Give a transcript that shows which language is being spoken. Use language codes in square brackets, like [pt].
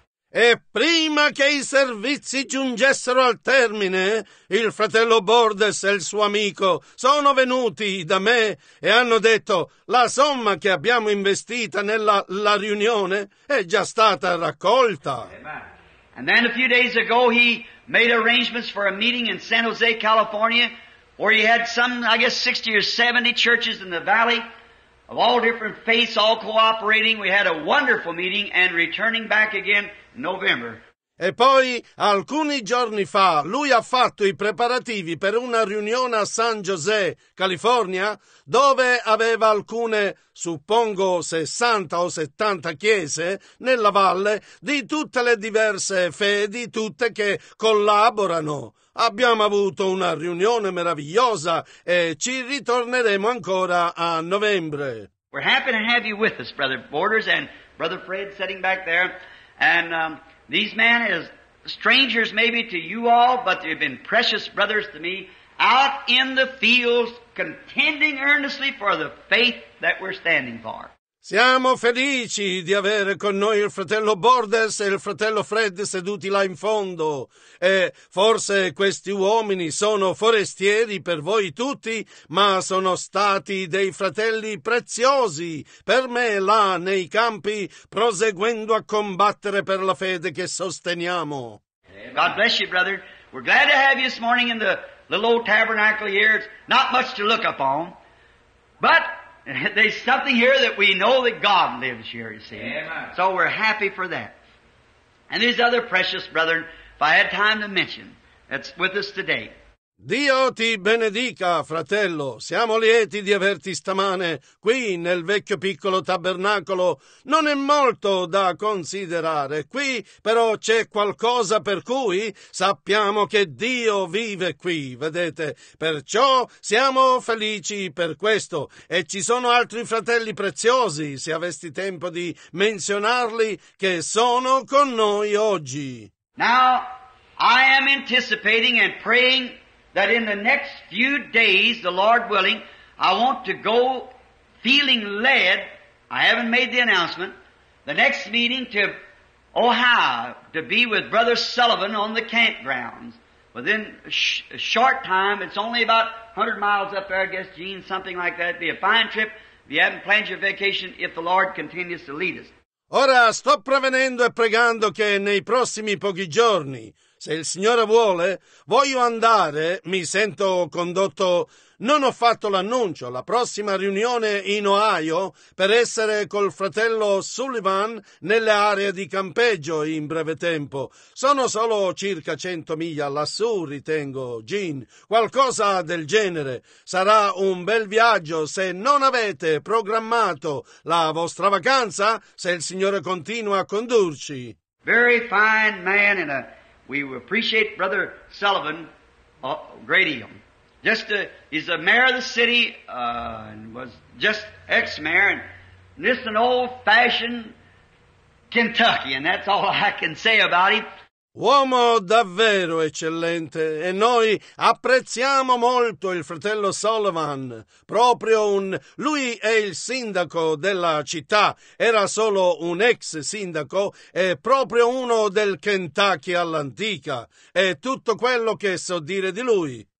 [it] E prima che i servizi giungessero al termine, il fratello Borders e il suo amico sono venuti da me e hanno detto la somma che abbiamo investita nella la riunione è già stata raccolta. [en] Amen. And then a few days ago he made arrangements for a meeting in San Jose, California, where he had some, I guess, 60 or 70 churches in the valley. Of all different faiths, all cooperating, we had a wonderful meeting and returning back again in November. [it] E poi, alcuni giorni fa, lui ha fatto i preparativi per una riunione a San José, California, dove aveva alcune, suppongo, 60 o 70 chiese nella valle di tutte le diverse fedi, tutte che collaborano. Abbiamo avuto una riunione meravigliosa e ci ritorneremo ancora a novembre. [en] We're happy to have you with us, Brother Borders and Brother Fred sitting back there. And these men is strangers maybe to you all, but they've been precious brothers to me out in the fields contending earnestly for the faith that we're standing for. [it] Siamo felici di avere con noi il fratello Bordes e il fratello Fred seduti là in fondo. E forse questi uomini sono forestieri per voi tutti, ma sono stati dei fratelli preziosi per me là nei campi, proseguendo a combattere per la fede che sosteniamo. [en] God bless you, brother. We're glad to have you this morning in the little old tabernacle here. It's not much to look upon, but there's something here that we know that God lives here, you see. Amen. So we're happy for that. And these other precious brethren, if I had time to mention, that's with us today. [it] Dio ti benedica, fratello. Siamo lieti di averti stamane qui nel vecchio piccolo tabernacolo. Non è molto da considerare qui, però c'è qualcosa per cui sappiamo che Dio vive qui, vedete? Perciò siamo felici per questo. E ci sono altri fratelli preziosi, se avessi tempo di menzionarli, che sono con noi oggi. [en] Now, I am anticipating and praying that in the next few days, the Lord willing, I want to go feeling led, I haven't made the announcement, the next meeting to Ohio to be with Brother Sullivan on the campgrounds. Within a short time, it's only about 100 miles up there, I guess, Gene, something like that. It'd be a fine trip if you haven't planned your vacation, if the Lord continues to lead us. [it] Ora sto prevenendo e pregando che nei prossimi pochi giorni, se il Signore vuole, voglio andare, mi sento condotto, non ho fatto l'annuncio, la prossima riunione in Ohio per essere col fratello Sullivan nelle aree di campeggio in breve tempo. Sono solo circa 100 miglia lassù, ritengo, Gene, qualcosa del genere. Sarà un bel viaggio se non avete programmato la vostra vacanza, se il Signore continua a condurci. [en] Very fine man in a... We appreciate Brother Sullivan a great deal. He's the mayor of the city, and was just ex-mayor, and this an old-fashioned Kentuckian, that's all I can say about him. [it] Uomo davvero eccellente, e noi apprezziamo molto il fratello Sullivan, proprio un... lui è il sindaco della città, era solo un ex sindaco, e proprio uno del Kentucky all'antica, è tutto quello che so dire di lui.